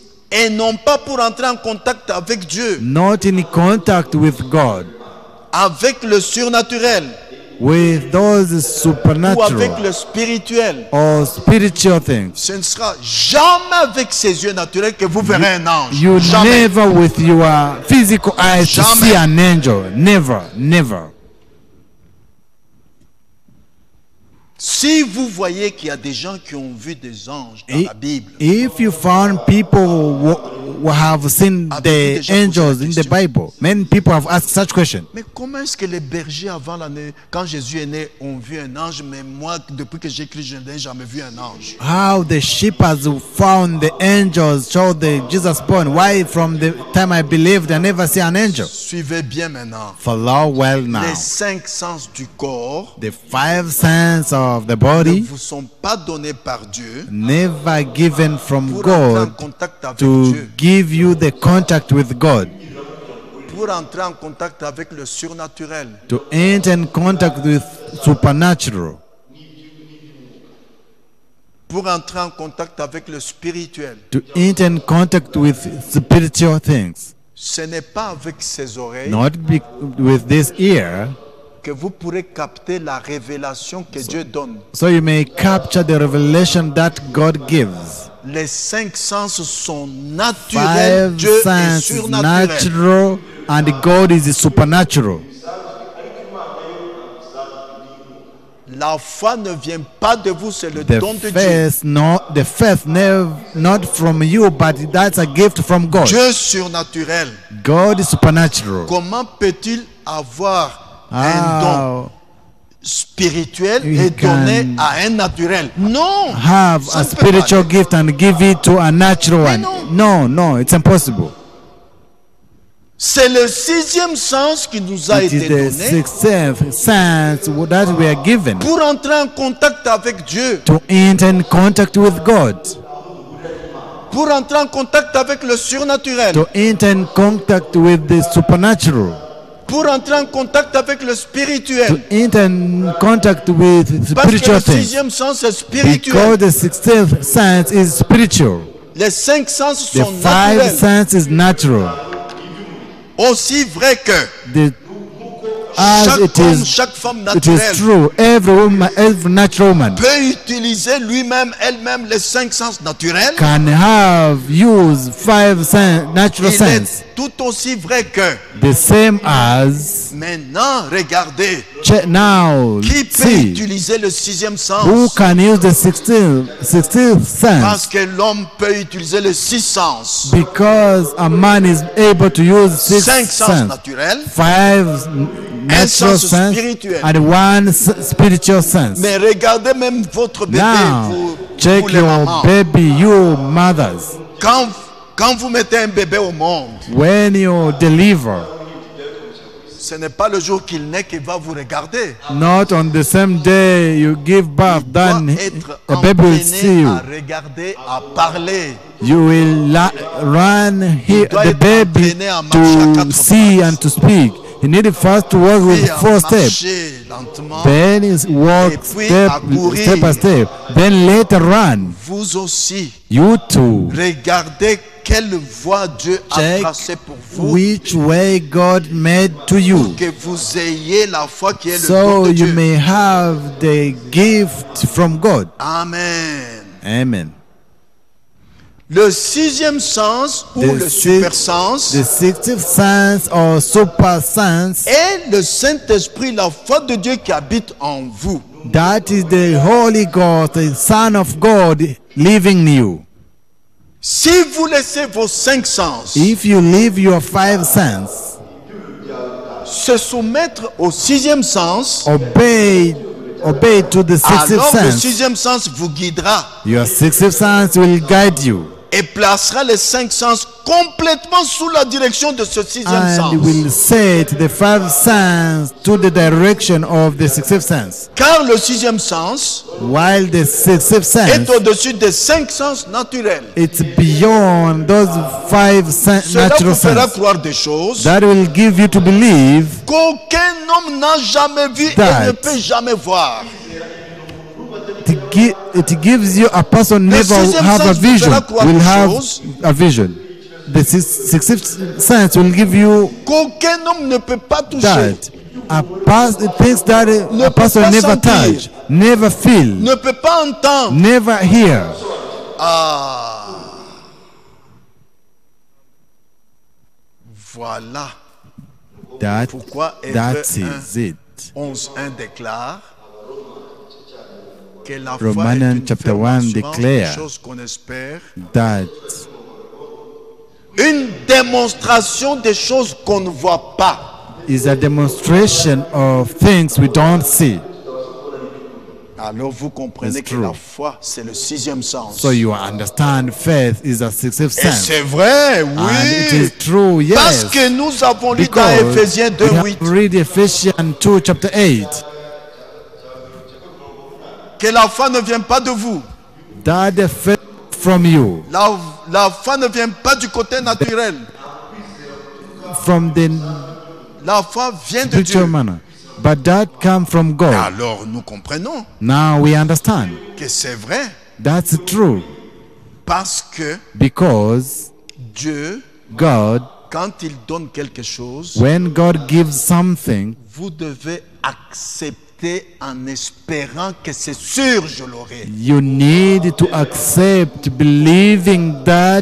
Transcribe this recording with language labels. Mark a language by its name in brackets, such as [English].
[French] Et non pas pour entrer en contact avec Dieu. [English] Not in contact with God. [French] Avec le surnaturel. [English] With those supernatural. [French] Ou avec le spirituel. [English] Or spiritual things. [French] Ce ne sera jamais avec ses yeux naturels que vous verrez un ange. [English] You [French] jamais. [English] Never with your physical eyes [French] jamais. [English] See an angel. Never, never. [French] Si vous voyez qu'il y a des gens qui ont vu des anges dans la Bible. [English] If you found people who have seen the angels in the Bible. Many people have asked such questions. [French] Mais comment est-ce que les bergers avant l'année, quand Jésus est né, ont vu un ange, mais moi, depuis que j'écris, je n'ai jamais vu un ange. [English] How the shepherds found the angels, showed the Jesus born. Why from the time I believed, I never see an angel. [French] Suivez bien maintenant. [English] Follow well now. [French] Les cinq sens du corps. [English] The five senses of the body [French] ne vous sont pas donnés par Dieu, [English] never given from God to give you the contact with God [French] pour entrer en contact avec le surnaturel, [English] to enter in contact with supernatural [French] pour entrer en contact avec le spirituel, [English] to enter in contact with spiritual things. [French] Ce n'est pas avec ses oreilles. [English] Not be, with this ear. [French] Que vous pourrez capter la révélation que Dieu donne. [English] So you may capture the revelation that God gives. [French] Les cinq sens sont naturels. Dieu est surnaturel. [English] Natural and God is supernatural. [French] La foi ne vient pas de vous, c'est le [English] the [French] don de [English] faith, [French] Dieu. [English] Not, the faith never, not from you, but that's a gift from God. [French] Dieu surnaturel. [English] God is supernatural. [French] Comment peut-il avoir un don spirituel et donné à un naturel? Non. [English] Have a spiritual gift and give it to a natural one. [French] Non, non, [English] it's impossible. [French] C'est le sixième sens qui nous a été donné. [English] It is the sixth sense that we are given. [French] Pour entrer en contact avec Dieu. [English] To enter in contact with God. [French] Pour entrer en contact avec le surnaturel. [English] To enter in contact with the supernatural. [French] Pour entrer en contact avec le spirituel. [English] To enter in contact with spiritual [French] Parce que le sixième sens est spirituel. [English] Because the sixth sense is spiritual. [French] Les cinq sens sont naturels. [English] The five sense is natural. [French] Aussi vrai que [English] the, [French] chaque [English] it [French] homme, [English] is, [French] chaque femme naturelle [English] it is true. Every woman, every natural woman [French] peut utiliser lui-même, elle-même les cinq sens naturels. [English] Can have use five natural sense. [French] Tout aussi vrai que [English] the same as [French] maintenant regardez [English] now [French] qui peut [English] see, [French] utiliser le sixième sens. [English] Who can use the sixth sense? [French] Parce que l'homme peut utiliser le six sens. [English] Because a man is able to use six [French] cinq sens naturels, [English] five natural sense, [French] spirituel. [English] And one spiritual sense. [French] Mais regardez même votre bébé, [English] now, [French] vous, [English] check [French] vous [English] your [French] les mamans. [English] Baby, you mothers. [French] Quand vous mettez un bébé au monde, [English] when you deliver, [French] ce n'est pas le jour qu'il naît qu'il va vous regarder. [English] Not on the same day you give birth, then a baby will see you. [French] À regarder, à parler. [English] You will run here, the baby to see and to speak. He needed first to walk with four steps. Then he walked step by step. Then later run. [French] Vous aussi. [English] You too. [French] Regardez. Quelle voie Dieu [English] check [French] a tracée pour vous? [English] Which way God made to you? [French] Pour que vous ayez la foi qui est [English] so [French] le don de Dieu. [English] So you may have the gift from God. [French] Amen. [English] Amen. [French] Le sixième sens ou [English] the [French] le super sens. [English] The sixth sense or super sense. [French] Est le Saint-Esprit, la foi de Dieu qui habite en vous. [English] That is the Holy Ghost, the Son of God, living in you. [French] Si vous laissez vos cinq sens, [English] if you leave your five sense, [French] se soumettre au sixième sens, [English] obey to the sixth [French] alors [English] sense, [French] le sixième sens vous guidera. [English] Your sixth sense will guide you. [French] Et placera les cinq sens complètement sous la direction de ce sixième [English] and [French] sens. [English] And will set the five sense to the direction of the sixth sense. [French] Car le sixième sens, [English] while the sixth sense, [French] est au-dessus des cinq sens naturels. [English] It's beyond those five sense [French] cela [English] natural senses. [French] Cela vous fera croire des choses. [English] That will give you to believe. [French] Qu'aucun homme n'a jamais vu et ne peut jamais voir. [English] It gives you a person never have a vision will have a vision. The sixth sense will give you [French] qu'aucun homme ne peut pas toucher. [English] That a person thinks that [French] ne [English] a person never [French] sentir, [English] touch, never feel, [French] ne peut pas entendre, [English] never hear. [French] Voilà. [English] That, [French] pourquoi [English] that is 1, it. [French] 11:1 déclare. [English] Romanian chapter 1 declare that [French] une démonstration des choses qu'on ne voit pas [English] is a demonstration of things we don't see. [French] Alors vous comprenez [English] it's [French] que [English] true. [French] La foi c'est le sixième sens. [English] So you understand faith is a sixth sense. [French] Et c'est vrai, oui. [English] And it is true, yes. [French] Parce que nous avons lu [English] because [French] dans Ephésiens 2:8. [English] We have read Ephesians 2 chapter 8. [French] Que la foi ne vient pas de vous. [English] That the faith from you. [French] La foi ne vient pas du côté naturel. [English] From the [French] la foi vient de Dieu. [English] Manner. But that comes from God. [French] Et alors nous comprenons. [English] Now we understand. [French] Que c'est vrai. [English] That's true. [French] Parce que [English] because [French] Dieu [English] God [French] Quand il donne quelque chose, [English] when God gives something, [French] vous devez accepter en espérant que c'est sûr je l'aurai. [English] You need to accept believing that